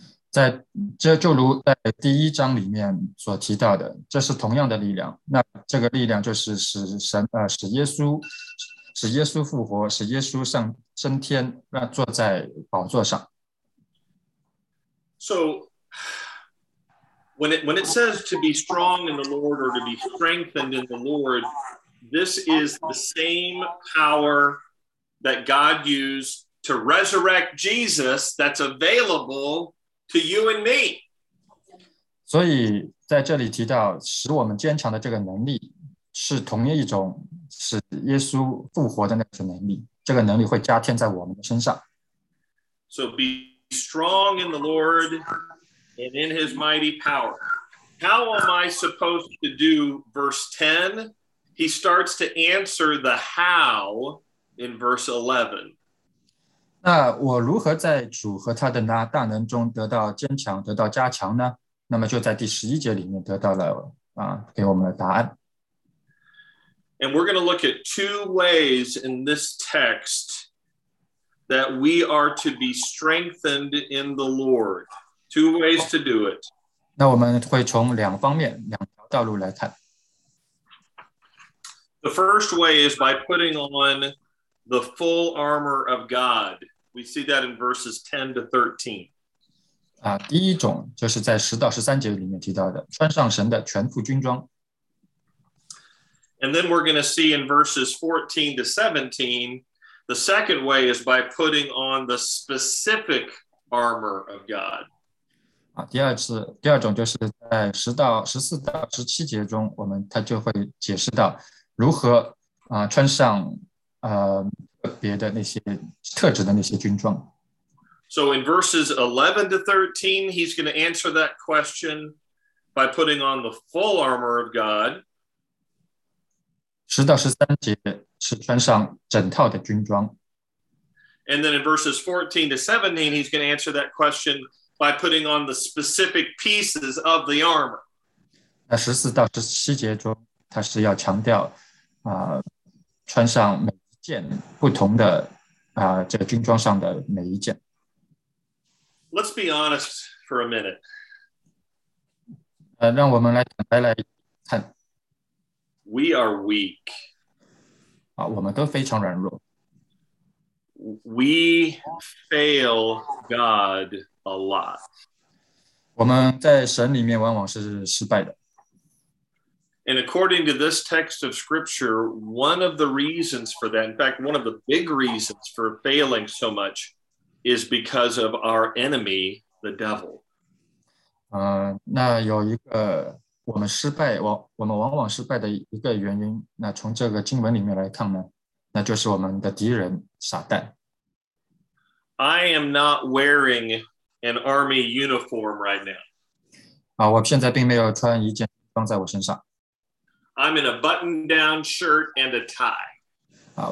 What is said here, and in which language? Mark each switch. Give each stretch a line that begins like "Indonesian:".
Chinese: 在这就如在第一章里面所提到的，这是同样的力量。那这个力量就是使耶稣复活，使耶稣升天，让坐在宝座上。
English: So when it says to be strong in the Lord or to be strengthened in the Lord, this is the same power that God used to resurrect Jesus that's available. To you and me.
Chinese: 所以在这里提到使我们坚强的这个能力是同一种使耶稣复活的那个能力，这个能力会加添在我们的身上。
English: So be strong in the Lord and in his mighty power. How am I supposed to do verse 10? He starts to answer the how in verse 11.
Chinese: 那我如何在主和他的大能中得到坚强，得到加强呢？那么就在第十一节里面得到了给我们的答案。
English: And we're going to look at two ways in this text that we are to be strengthened in the Lord. Two ways to do it.
Chinese: 那我们会从两方面，两条道路来看。
English: The first way is by putting on the full armor of God. We see that in verses 10 to 13.
Chinese: 第一种就是在十到十三节里面提到的，穿上神的全副军装。
English: And then we're going to see in verses 14 to 17, the second way is by putting on the specific armor of God.
Chinese: 第二种就是在十到十四到十七节中，我们他就会解释到如何穿上特别的那些特质的那些军装。
English: So in verses 11 to 13, he's going to answer that question by putting on the full armor of God.
Chinese: 10 到13节是穿上整套的军装。
English: And then in verses 14 to 17, he's going to answer that question by putting on the specific pieces of the armor.
Chinese: 那14到17节中，他是要强调穿上每一件不同的这个军装上的每一件。
English: Let's be honest for a minute.
Chinese: 让我们来坦白来看。
English: We are weak.
Chinese: 我们都非常软弱。
English: We fail God a lot.
Chinese: 我们在神里面往往是失败的。
English: And according to this text of scripture, one of the reasons for that, in fact, one of the big reasons for failing so much is because of our enemy, the devil.
Chinese: 那有一个我们失败，我们往往失败的一个原因，那从这个经文里面来看呢，那就是我们的敌人撒旦。
English: I am not wearing an army uniform right now.
Chinese: 我现在并没有穿一件装在我身上。
English: I'm in a button-down shirt and a tie.